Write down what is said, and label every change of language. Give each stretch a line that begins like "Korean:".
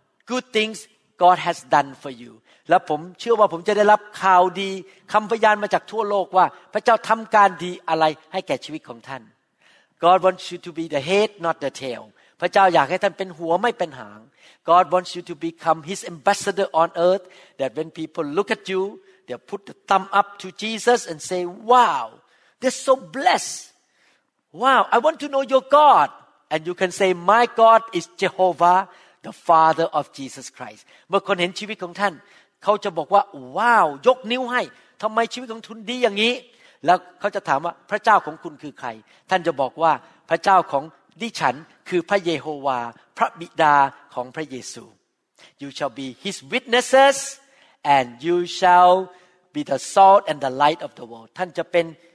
English: Good things God has done for you.
Thai: และผมเชื่อว่าผมจะได้รับข่าวดีคำพยานมาจากทั่วโลกว่าพระเจ้าทำการดีอะไรให้แก่ชีวิตของท่าน
English: God wants you to be the head, not the tail.
Thai: พระเจ้าอยากให้ท่านเป็นหัวไม่เป็นหาง
English: God wants you to become His ambassador on earth. That when people look at you, they put the thumb up to Jesus and say, "Wow, they're so blessed. Wow, I want to know your God." And you can say, "My God is Jehovah." The Father of Jesus Christ.
Thai: เมื่อคนเห็นชีวิตของท่านเขาจะบอกว่าว้าวยกนิ้วให้ทำไมชีวิตของทุนดีอย่างนี้แล้วเขาจะถามว่าพระเจ้าของคุณคือใครท่านจะบอกว่าพระเจ้าของดิฉันคือพระเยโฮวาพระบิดาของพระเยซู
English: You shall be His witnesses and you shall be the salt and the light of the world.
Thai: ท่านจะเป็น